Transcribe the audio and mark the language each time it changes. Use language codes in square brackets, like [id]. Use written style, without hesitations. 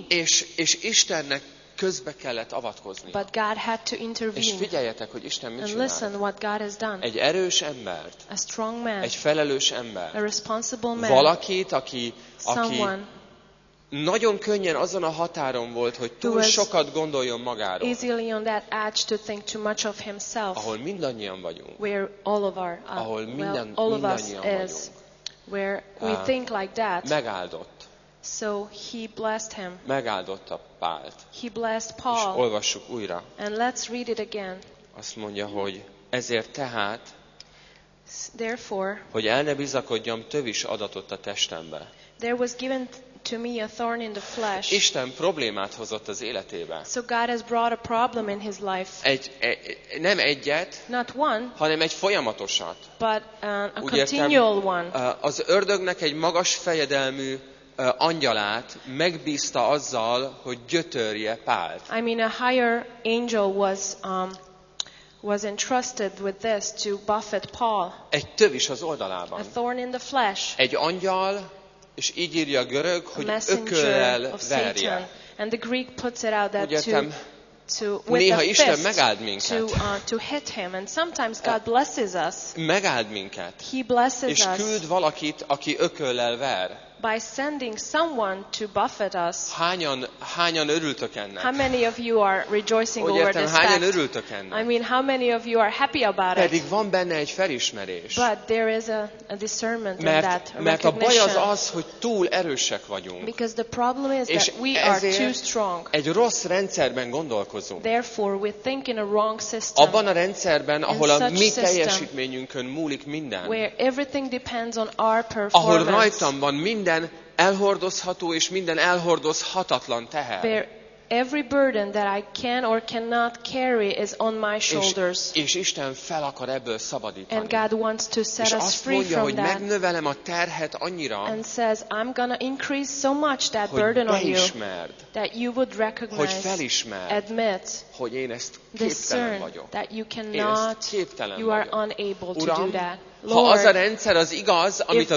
[hu] És Istennek közbe kellett avatkozni. [en] But God had to intervene. [hu] És figyeljetek, hogy Isten mit [en] and [hu] csinál. [en] Listen what God has done. [hu] Egy erős embert, [en] a strong man, [hu] egy felelős ember, [en] a responsible man, [hu] valakit, aki nagyon könnyen azon a határon volt, hogy túl sokat gondoljon magáról. [en] Easily on that edge to think too much of himself. [hu] Ahol mindannyian vagyunk. [en] Where all of our [hu] ahol minden, [en] well, all of us [hu] mindannyian is, vagyunk. [en] Where we think like that. [hu] Megáldott. [en] So he blessed him. [hu] Megáldotta Pált. [en] He blessed Paul. [hu] És olvassuk újra. [en] And let's read it again. [hu] Azt mondja, hogy ezért tehát, [en] therefore, [hu] hogy el ne bizakodjam, tövis adatott a testembe. [en] There was given to me a thorn in the flesh. [hu] Isten problémát hozott az életébe. [en] So God has brought a problem in his life. [hu] Nem egyet, [en] not one, [hu] hanem egy folyamatosat. [en] But a continual one. [hu] Az ördögnek egy magas fejedelmű angyalát megbízta azzal, hogy gyötörje Pált. [en] I mean, a higher angel was entrusted with this to buffet Paul. [hu] Egy tövis az oldalában. [en] A thorn in the flesh. [hu] Egy angyal, és így írja a görög, hogy ököllel verje. [en] And the Greek puts it out that [hu] néha Isten megáld minket. [en] To hit him, and sometimes God blesses us. [hu] Megáld minket. [en] He blesses [hu] us. És küld valakit, aki ököllel ver. [en] By sending someone to buffet us. [hu] Hányan örültök ennek? [en] How many of you are rejoicing over this? [hu] Hányan örültök ennek? [en] I mean, how many of you are happy about it? [hu] Pedig van benne egy felismerés. [en] But there is a discernment in [hu] mert, [en] that recognition. [hu] Mert a baj az, hogy túl erősek vagyunk. [en] Because the problem is [hu] és [en] that we are too strong. [hu] Egy rossz rendszerben gondolkozunk. [en] Therefore, we think in a wrong system. [hu] Abban a rendszerben, ahol a mi teljesítményünkön múlik minden. [en] Where everything depends on our performance. [hu] Ahol rajtam van minden elhordozható és minden elhordozhatatlan teher. [en] Where every burden that I can or cannot carry is on my shoulders. [hu] És Isten fel akar ebből szabadítani. [en] And God wants to set us free from that. [hu] És azt mondja, hogy megnövelem a terhet annyira. [en] And says I'm gonna increase so much that burden on you. That you would recognize. [hu] Hogy felismerd. [en] Admit. [hu] Hogy én ezt képtelen vagyok. [en] That you cannot. You are unable to do that. [hu] Ha az a rendszer az igaz, amit